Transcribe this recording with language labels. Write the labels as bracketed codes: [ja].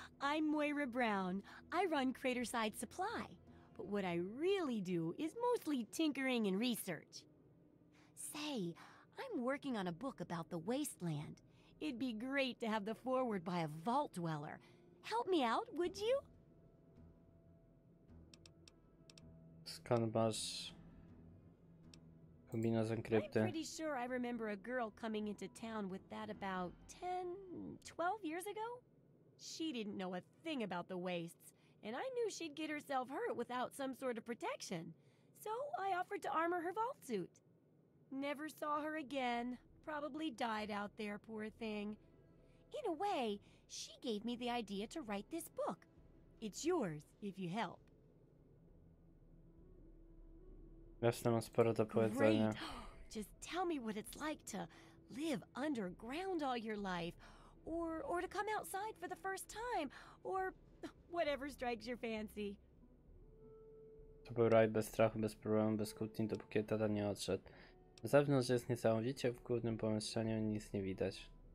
[en] I'm Moira Brown. I run Craterside Supply. But what I really do is mostly tinkering and research. Say, I'm working on a book about the wasteland. It'd be great to have the foreword by a vault dweller. Help me out, would you? [pl] Skąd masz kombina z enkrypty? [en] I'm pretty sure I remember a girl coming into town with that about 10, 12 years ago. She didn't know a thing about the wastes, and I knew she'd get herself hurt without some sort of protection. So I offered to armor her vault suit. Never saw her again. Probably died out there, poor thing. In a way, she gave me the idea to write this book. It's yours if you help. [pl] Jasne, mam sporo do powiedzenia. [en] Just tell me what it's like to live underground all your life, or to come outside for the first time, or whatever strikes your fancy. [pl] To był raj bez strachu, bez problemu, bez kłótni, dopóki tata nie odszedł. Na zewnątrz jest niesamowicie, w głównym pomieszczeniu nic nie widać.